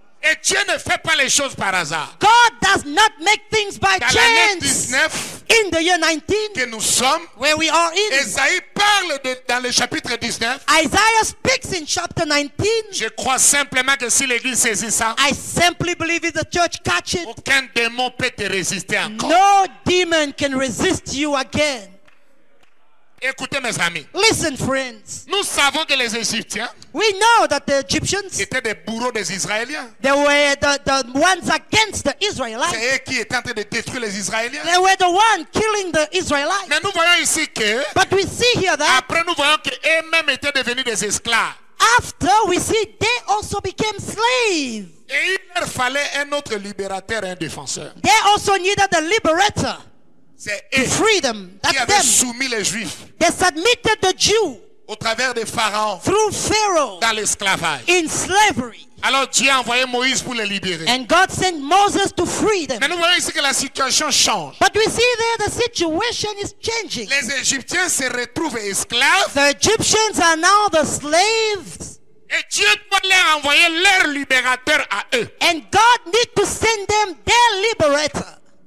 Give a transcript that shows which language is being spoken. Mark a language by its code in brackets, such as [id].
[fr] Et Dieu ne fait pas les choses par hasard. [en] God does not make things by [fr] dans [en] chance. [fr] L'année 19, [en] in the year 19, [fr] que nous sommes, [en] where we are in, [fr] Esaïe parle de, dans le chapitre 19. [en] Isaiah speaks in chapter 19. [fr] Je crois simplement que si l'Église saisit ça, [en] I simply believe if the church catch it, [fr] aucun démon peut te résister encore. [en] No demon can resist you again. [fr] Écoutez mes amis. [en] Listen, friends. [fr] Nous savons que les Égyptiens. [en] We know that the Egyptians. [fr] Étaient des bourreaux des Israéliens. [en] They were the ones against the Israelites. [fr] C'est eux qui étaient en train de détruire les Israéliens. [en] They were the ones killing the Israelites. [fr] Mais nous voyons ici que. [en] But we see here that. [fr] Après nous voyons qu'eux-mêmes étaient devenus des esclaves. [en] After we see they also became slaves. [fr] Et il leur fallait un autre libérateur et un défenseur. [en] They also needed a liberator. [fr] C'est eux [en] freedom, [fr] qui avaient soumis les Juifs. [en] They submitted the Jew [fr] au travers des pharaons, [en] through Pharaoh, [fr] dans l'esclavage, [en] in slavery. [fr] Alors Dieu a envoyé Moïse pour les libérer. [en] And God sent Moses to free them. [fr] Mais nous voyons ici que la situation change. [en] But we see there the situation is changing. [fr] Les Égyptiens se retrouvent esclaves. [en] The Egyptians are now the slaves. [fr] Et Dieu doit leur envoyer leur libérateur à eux. [en] And God need to send them their liberator.